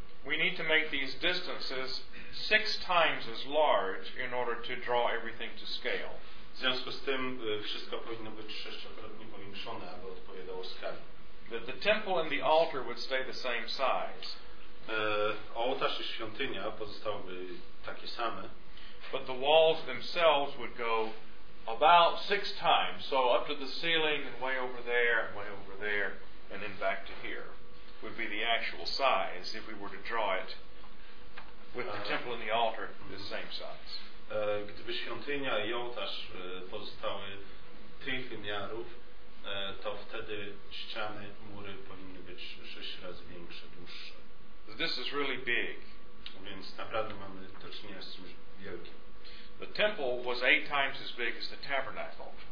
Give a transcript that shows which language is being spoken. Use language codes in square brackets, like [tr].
[en] We need to make these distances six times as large in order to draw everything to scale. [pl] W związku z tym wszystko powinno być sześciokrotnie powiększone, aby odpowiadało skali. [en] That the temple and the altar would stay the same size. [pl] Ołtarz i świątynia pozostałyby takie same. [en] But the walls themselves would go about six times, so up to the ceiling and way over there and way over there and then back to here would be the actual size if we were to draw it with the temple and the altar the same size. [pl] Gdyby świątynia i ołtarz pozostały tych wymiarów, to wtedy ściany, mury powinny być sześć razy większe. [en] this is really big. [pl] Więc naprawdę mamy do czynienia z czymś wielkim. [en] The temple was 8 times as big as the tabernacle.